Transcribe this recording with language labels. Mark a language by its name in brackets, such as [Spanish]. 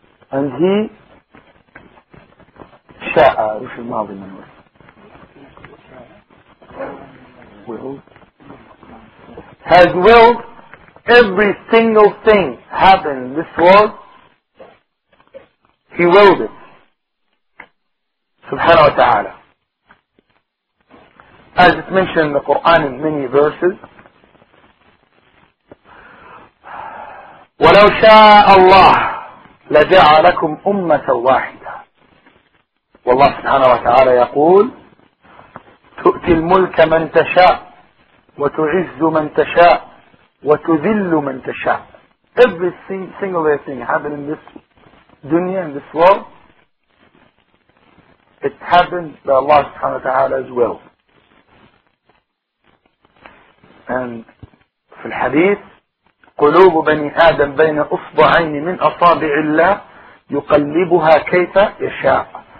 [English] And he [Arabic] شاء وش الماضي من وين؟ [English] Will has willed every single thing happen in this world. He willed it. [Arabic] سبحانه وتعالى. [English] As it mentioned in the Quran in many verses. [Arabic] ولو شاء الله لجعلكم أمة واحدة. والله سبحانه وتعالى يقول تؤتي الملك من تشاء وتعز من تشاء وتذل من تشاء. [English] Every single thing happened in this dunya, in this world, it happened by Allah [Arabic] سبحانه وتعالى [English] as well. [Arabic] And في الحديث قلوب بني آدم بين أصبعين من أصابع الله يقلبها كيف يشاء.